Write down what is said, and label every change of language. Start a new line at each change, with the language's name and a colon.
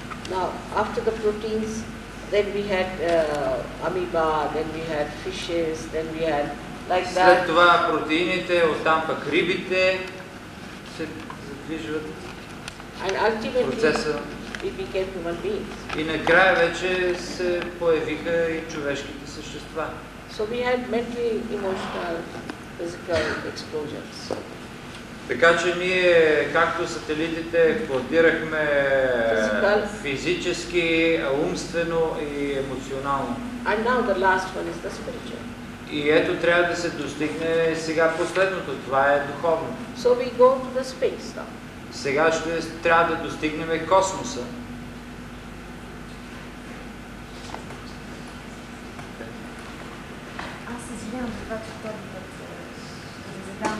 English: Now, after the proteins, then we had amoeba, then we had fishes, then we had like that.
Bulgarian: След това протеините, оттам пък рибите се задвижват.
English: And ultimately, we became human beings.
Bulgarian: И накрая вече се появиха и човешките същества.
English: So we had mental, emotional, physical explosions.
Bulgarian: Така че ние, както сателитите, експлодирахме физически, умствено и емоционално.
English: And now the last one is the spiritual.
Bulgarian: И ето трябва да се достигне сега последното, това е духовно.
English: So we go to the space now.
Bulgarian: Сега ще трябва да достигнем космоса. Аз извинявам това, че първи път задам